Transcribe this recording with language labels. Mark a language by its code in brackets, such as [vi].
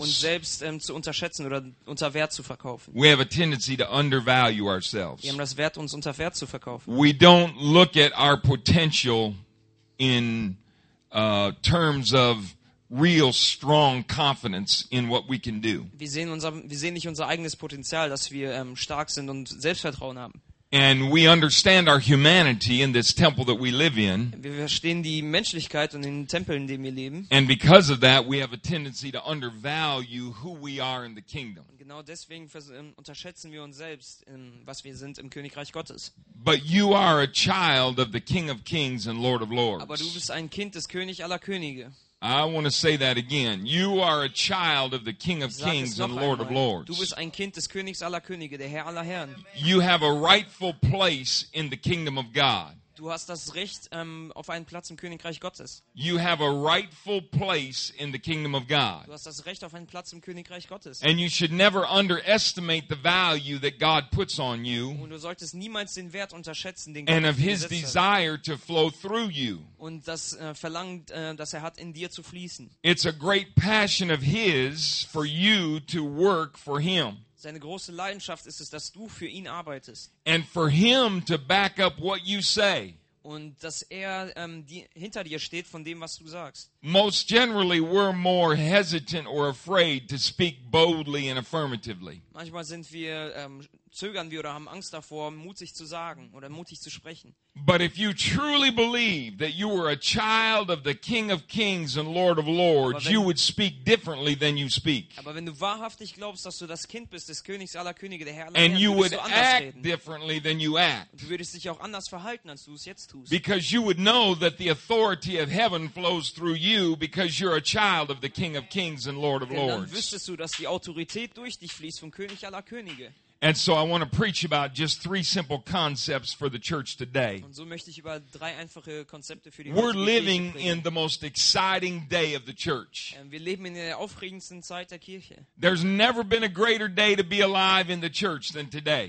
[de] Uns selbst zu unterschätzen oder unter Wert zu verkaufen. [en] We have a tendency to undervalue ourselves. [de] Wir haben das Wert, uns unter Wert zu verkaufen. [en] We don't look at our potential in terms of real strong confidence in what we can do. [de] Wir sehen nicht unser eigenes Potenzial, dass wir stark sind und Selbstvertrauen haben. [en] And we understand our humanity in this temple that we live in. [de] Wir verstehen die Menschlichkeit und den Tempel, in dem wir leben. [en] And because of that, we have a tendency to undervalue who we are in the kingdom. [de] Und genau deswegen unterschätzen wir uns selbst, was wir sind im Königreich Gottes. [en] But you are a child of the King of Kings and Lord of Lords. [de] Aber du bist ein Kind des König aller Könige. [en] I want to say that again. You are a child of the King of Kings and Lord of Lords. [de] Du bist ein Kind des Königs aller Könige, der Herr aller Herren. [en] You have a rightful place in the kingdom of God. [de] Du hast das Recht auf einen Platz im Königreich Gottes. [en] You have a rightful place in the kingdom of God. [de] Du hast das Recht auf einen Platz im Königreich Gottes. [en] And you should never underestimate the value that God puts on you. [de] Und du solltest niemals den Wert unterschätzen, den Gott. [en] And of his desire to flow through you. [de] Und das Verlangen, das er hat, in dir zu fließen. [en] It's a great passion of his for you to work for him. [de] Seine große Leidenschaft ist es, dass du für ihn arbeitest. [en] And for him to back up what you say. [de] Und dass er hinter dir steht von dem, was du sagst. [en] Most generally, we're more hesitant or afraid to speak boldly and affirmatively. [de] Manchmal sind wir zögern wir oder haben Angst davor, mutig zu sagen oder mutig zu sprechen. [en] But if you truly believe that you are a child of the King of Kings and Lord of Lords, you would speak differently than you speak. [de] Aber wenn du wahrhaftig glaubst, dass du das Kind bist des Königs aller Könige, der Herr aller Herren, würdest du anders reden. [en] And you would act differently than you act. [de] Du würdest dich auch anders verhalten, als du es jetzt tust. [en] Because you would know that the authority of heaven flows through you because you're a child of the King of Kings and Lord of Lords. [de] Dann wüsstest du, dass die Autorität durch dich fließt vom König aller Könige. [en] And so I want to preach about just three simple concepts for the church today. [de] Und so möchte ich über drei einfache Konzepte für die Kirche sprechen. [en] We're living in the most exciting day of the church. [de] Wir leben in der aufregendsten Zeit der Kirche. [en] There's never been a greater day to be alive in the church than today.